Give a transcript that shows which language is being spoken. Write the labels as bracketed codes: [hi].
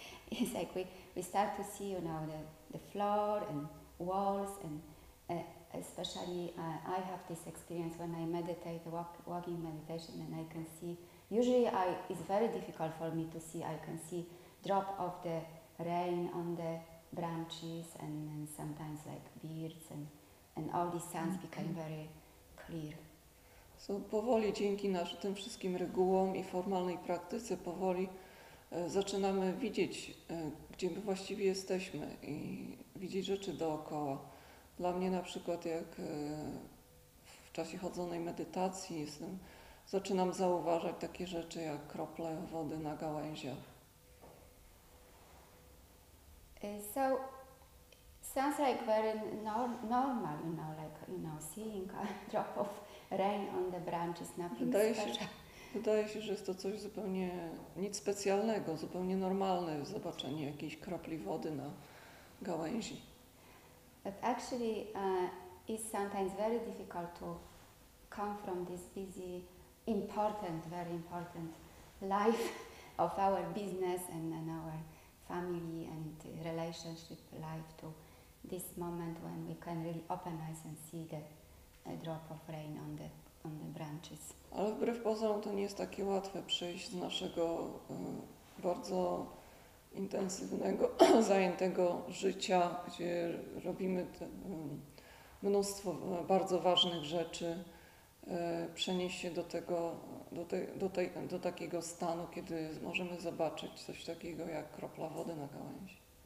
[en] It's like we start to see, you know, the floor and walls and especially I have this experience when I meditate, walking meditation, and I can see, usually it's very difficult for me to see, I can see drop of the rain on the branches and sometimes like birds and all these sounds became very clear. [pl] So powoli, dzięki tym wszystkim regułom i formalnej praktyce, powoli zaczynamy widzieć, gdzie my właściwie jesteśmy i widzieć rzeczy dookoła. Dla mnie na przykład, jak w czasie chodzonej medytacji zaczynam zauważać takie rzeczy jak krople wody na gałęziach. [en] So Sounds like very normal, you know, like, you know, seeing a drop of rain on the branches, nothing special. [pl] Wydaje się, że jest to coś zupełnie, nic specjalnego, zupełnie normalne, zobaczenie jakiejś kropli wody na gałęzi. [en] But actually, it's sometimes very difficult to come from this busy, important, very important life of our business and our family and relationship life to this moment when we can really open eyes and see the drop of rain on the branches. [pl] Ale wbrew pozorom to nie jest takie łatwe przejść z naszego bardzo intensywnego, zajętego życia, gdzie robimy te, mnóstwo bardzo ważnych rzeczy, przenieść się do tego, do takiego stanu, kiedy możemy zobaczyć coś takiego jak kropla wody na gałęzi.